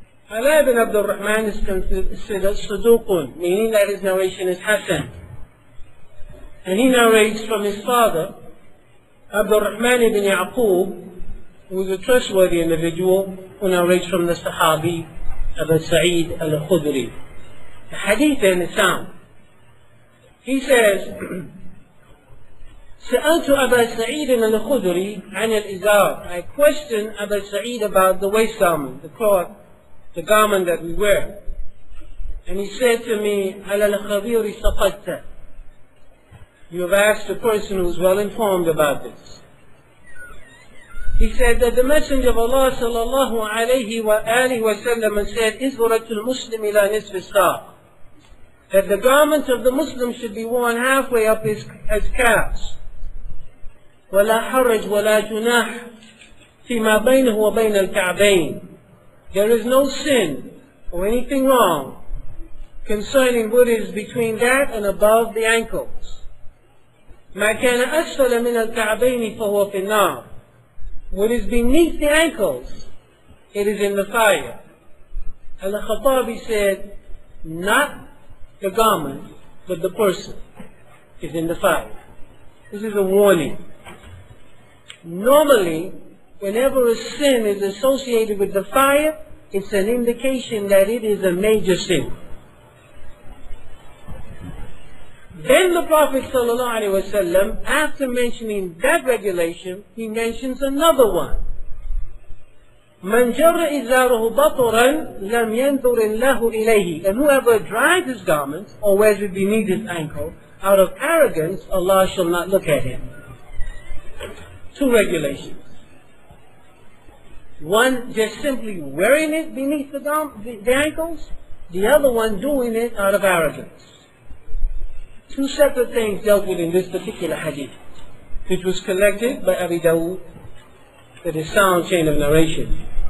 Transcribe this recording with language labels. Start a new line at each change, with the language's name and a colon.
English: هلا بن عبد الرحمن صدوق meaning that his narration is Hassan. And he narrates from his father, عبد الرحمن بن يعقوب, who is a trustworthy individual, who narrates from the Sahabi, Abu Sa'id al-Khudri. The hadith in Islam.
Arabic: He says, سألت أبا سعيد الخدري عن الإزار.
English: I questioned Abu Sa'id about the waist garment, the cloth, the garment that we wear. And he said to me,
Arabic: على الخبير سقطت.
English: You have asked a person who is well informed about this. He said that the Messenger of Allah sallallahu alayhi wa alihi wa sallam said,
Arabic: Izwaratul Muslim ila nisf al-saq.
English: That the garment of the Muslim should be worn halfway up his calves.
Arabic: ولا حرج ولا جناح فيما بينه وبين الكعبين.
English: There is no sin or anything wrong concerning what is between that and above the ankles.
Arabic: ما كان أسفل من الكعبين فهو في النار.
English: What is beneath the ankles, it is in the fire. Al-Khattabi said, not the garment, but the person is in the fire. This is a warning. Normally, whenever a sin is associated with the fire, it's an indication that it is a major sin. Then the Prophet sallallahu alaihi wasallam, after mentioning that regulation, he mentions another one.
Arabic: من جر إزاره بطرا لم ينظر الله إليه.
English: And whoever dries his garments or wears it beneath his ankle, out of arrogance, Allah shall not look at him. Two regulations. One, just simply wearing it beneath the ankles. The other one, doing it out of arrogance. Two separate things dealt with in this particular hadith, which was collected by Abi Dawood, the sound chain of narration.